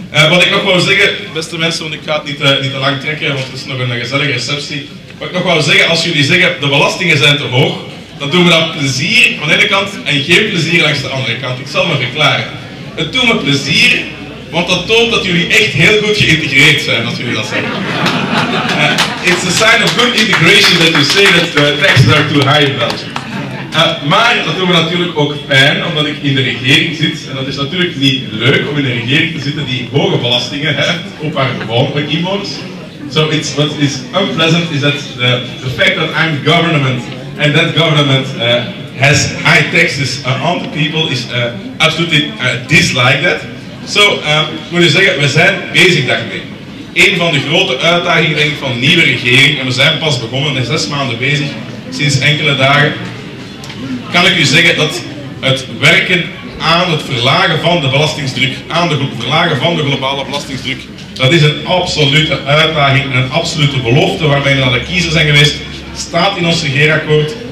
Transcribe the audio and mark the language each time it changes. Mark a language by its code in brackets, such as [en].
[nl] Wat ik nog wou zeggen, beste mensen, want ik ga het niet te lang trekken, want het is nog een gezellige receptie. Wat ik nog wou zeggen, als jullie zeggen, de belastingen zijn te hoog, dan doen we dat plezier van de ene kant en geen plezier langs de andere kant. Ik zal me verklaren. Het doet me plezier, want dat toont dat jullie echt heel goed geïntegreerd zijn, als jullie dat zeggen. [en] It's a sign of good integration that you say that the taxes are too high in Belgium. [nl] Maar dat doet me natuurlijk ook pijn, omdat ik in de regering zit. En dat is natuurlijk niet leuk om in een regering te zitten die hoge belastingen heeft op haar gewone inwoners. [en] So it's, what is unpleasant is that the fact that I'm government and that government has high taxes on the people is absolutely dislike that. [nl] So, moet je zeggen, we zijn bezig daarmee. Een van de grote uitdagingen denk ik, van de nieuwe regering, en we zijn pas begonnen, en 6 maanden bezig, sinds enkele dagen, kan ik u zeggen dat het werken aan het verlagen van de belastingsdruk, aan het verlagen van de globale belastingsdruk, dat is een absolute uitdaging, een absolute belofte waarmee we naar de kiezer zijn geweest, staat in ons regeerakkoord.